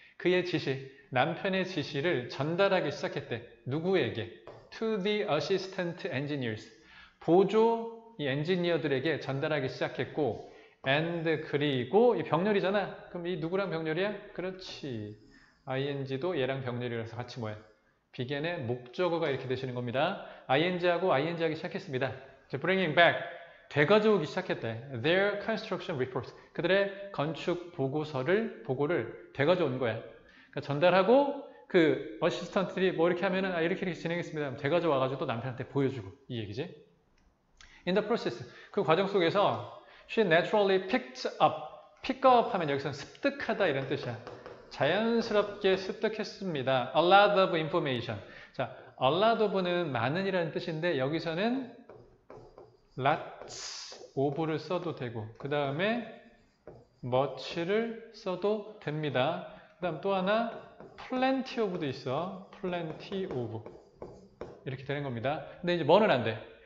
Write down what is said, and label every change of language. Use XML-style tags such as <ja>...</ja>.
<ko>그의 지시, 남편의 지시를 전달하기 시작했대. 누구에게?</ko> <en>to the assistant engineers.</en> <ko>보조, 이 엔지니어들에게 전달하기 시작했고, and, 그리고, 이 병렬이잖아? 그럼 이 누구랑 병렬이야? 그렇지. ing도 얘랑 병렬이라서 같이 뭐야? begin의 목적어가 이렇게 되시는 겁니다. ing하고 ing 하기 시작했습니다.</ko> <en>bringing back.</en> <ko>되가져오기 시작했대.</ko> <en>their construction reports.</en> <ko>그들의 건축 보고를 되가져온 거야. 그러니까 전달하고 그 어시스턴트들이 뭐 이렇게 하면은 아, 이렇게 진행했습니다. 되가져와가지고 또 남편한테 보여주고. 이 얘기지.</ko> <en>in the process.</en> <ko>그 과정 속에서</ko> <en>she naturally picked up.</en> <ko>pick up 하면 여기서는 습득하다 이런 뜻이야. 자연스럽게 습득했습니다.</ko> <en>A lot of information.</en> <ko>자, a lot of는 많은이라는 뜻인데 여기서는 lots of를 써도 되고 그 다음에 much를 써도 됩니다. 그 다음 또 하나 plenty of도 있어. plenty of 이렇게 되는 겁니다. 근데 이제 뭐는 안 돼.</ko>